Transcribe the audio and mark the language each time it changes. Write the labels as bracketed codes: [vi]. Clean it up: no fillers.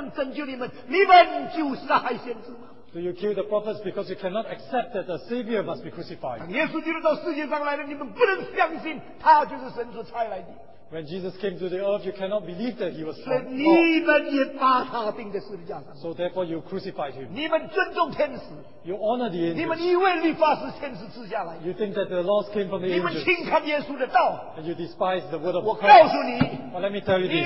[zh] 先知传钉十字架的基督，你们不能接受，一个钉十字架的能拯救你们，你们就杀害先知嘛。 [en] Do you kill the prophets because you cannot accept that the Savior must be crucified? [zh] 耶稣基督到世界上来了，你们不能相信他就是神所差来的。 [en] When Jesus came to the earth, you cannot believe that he was God. So therefore you crucified him. [zh] 你们尊重天使, [en] you honor the angels. You think that the laws came from the angels. And you despise the word of Christ. But let me tell you this.